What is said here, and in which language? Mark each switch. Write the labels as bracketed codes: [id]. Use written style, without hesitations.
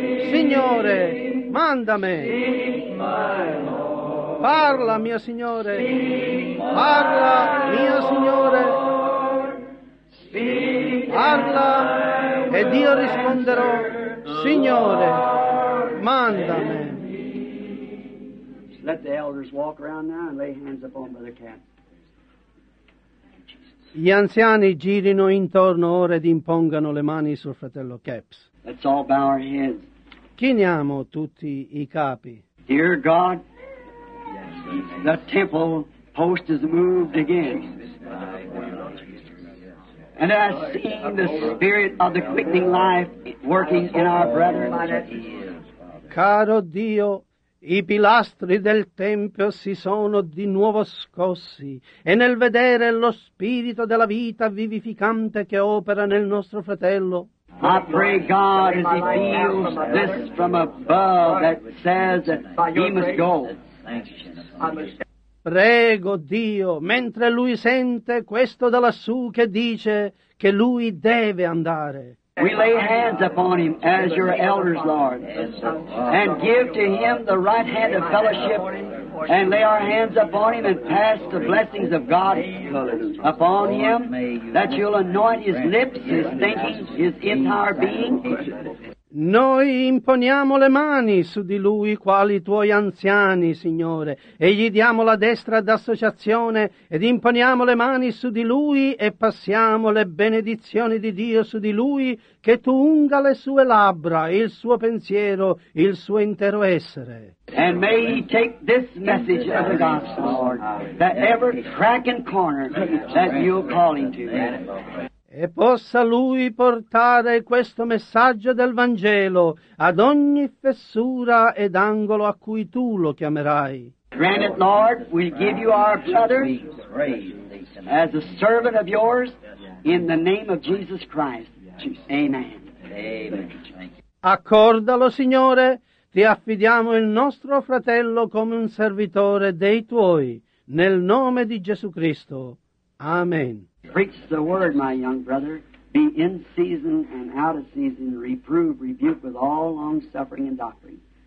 [it] Signore, mandami. Parla, mio Signore, parla, mio Signore, parla ed io risponderò. Signore, mandami. [en] Let the elders walk around now and lay hands upon Brother Cass. [it] Gli anziani girino intorno ora ed impongano le mani sul fratello Capps. [en] Let's all bow our heads. [it] Chiniamo tutti i capi. [en] Dear God, yes, the temple post has moved again. And I have seen the spirit of the quickening life working in our brethren. [it] Caro Dio, i pilastri del Tempio si sono di nuovo scossi, e nel vedere lo spirito della vita vivificante che opera nel nostro fratello. [en] I pray God as he feels this from above that says that he must go. [it] Prego Dio, mentre lui sente questo da lassù che dice che lui deve andare. [en] We lay hands upon him as your elders, Lord, and give to him the right hand of fellowship, and lay our hands upon him and pass the blessings of God upon him, that you'll anoint his lips, his thinking, his entire being. [it] Noi imponiamo le mani su di lui quali tuoi anziani, Signore, e gli diamo la destra d'associazione ed imponiamo le mani su di lui e passiamo le benedizioni di Dio su di lui, che tu unga le sue labbra, il suo pensiero, il suo intero essere. [en] And may he take this message of the gospel, Lord, that every crack and corner that you'll call him to. [it] E possa lui portare questo messaggio del Vangelo ad ogni fessura ed angolo a cui tu lo chiamerai. [en] Grant it, Lord, we give you our brother as a servant of yours in the name of Jesus Christ. Amen. Amen. [it] Accordalo, Signore, ti affidiamo il nostro fratello come un servitore dei tuoi, nel nome di Gesù Cristo. Amen. [en] Preach the word, my young brother. Be in season and out of season. Reprove, rebuke with all long suffering and doctrine.